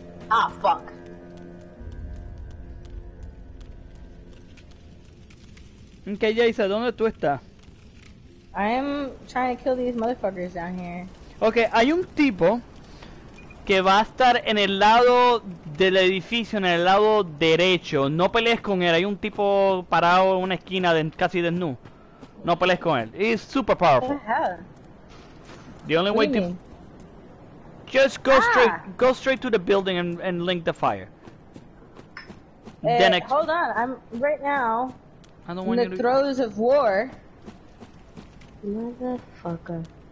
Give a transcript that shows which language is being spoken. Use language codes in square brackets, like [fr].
[en] Ah, fuck. [es] Okay, Jaisa, ¿dónde tú estás? [en] I'm trying to kill these motherfuckers down here. [es] Okay, hay un tipo que va a estar en el lado del edificio, en el lado derecho. No pelees con él. Hay un tipo parado en una esquina casi desnudo. No pelees con él. [en] He's super powerful. Just go straight to the building and link the fire. Hold on. I'm right now in the throes of war. Motherfucker.